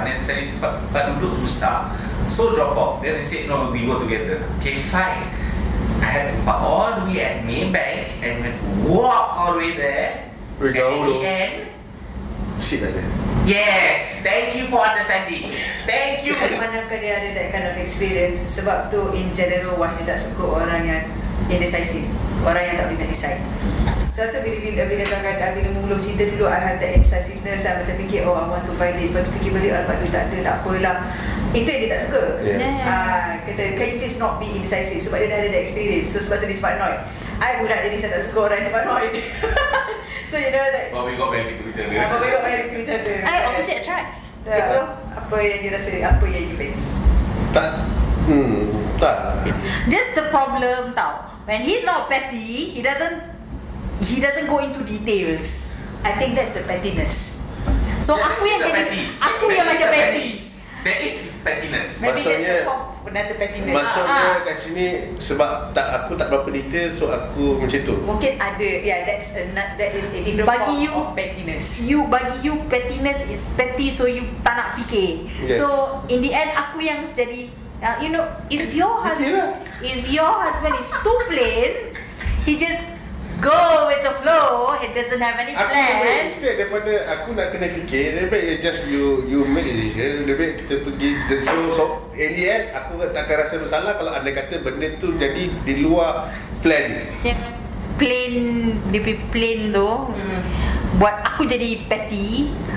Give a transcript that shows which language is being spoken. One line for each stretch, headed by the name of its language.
English: And then
Malay: saya cepat cepat duduk susah.
English: So drop off. Then I said no, we go together. Okay, fine. I had to park all the way at Maybank and went to walk all the way there. Wait, and in the end, shit lah. Yes, thank you for understanding. Thank you.
Malay: Manakah dia ada
English: that kind of experience?
Malay: Sebab tu
English: in general
Malay: Wahzi tak suka orang yang indecisive. Orang yang tak boleh nak decide. So tu bila kadang-kadang bila mula bercinta dulu
English: I have that indecisiveness.
Malay: Saya macam fikir,
English: oh I want to find this.
Malay: Lepas tu fikir balik, oh lepas tak ada, tak apalah. Itu yang dia tak suka.
English: Kata, can you please not be indecisive?
Malay: Sebab dia dah ada
English: that experience.
Malay: So sebab tu dia cepat
English: annoyed.
Malay: I pula jadi saya tak suka orang cepat annoyed.
English: So you know that. But we got married to each other. But we got married to each other. I opposite attracts.
Malay: So apa yang you rasa, apa yang you petty? Tak. Tak.
English: That's the problem tau. When he's not petty, he doesn't go into details. I think that's the pettiness.
Malay: So yeah, aku yang jadi, aku yang macam petty.
English: There is pettiness. Maybe that's the form another pettiness.
Malay: Maksudnya kat sini sebab tak aku tak berapa detail, so aku macam tu. Mungkin ada,
English: yeah, that's a different form you, of pettiness. Bagi you pettiness is petty, so you
Malay: tak nak fikir.
English: Yes. So in the end,
Malay: aku yang jadi.
English: You know, if your husband is too plain, he just go with the flow. He doesn't have any plan.
Malay: Aku tak boleh instead daripada aku nak kena fikir. Lebih
English: just you make a decision.
Malay: Lebih kita pergi. So in the end, aku takkan rasa bersalah kalau anda kata benda tu jadi di luar plan. Yang plain, lebih plain tu. Buat aku jadi petty.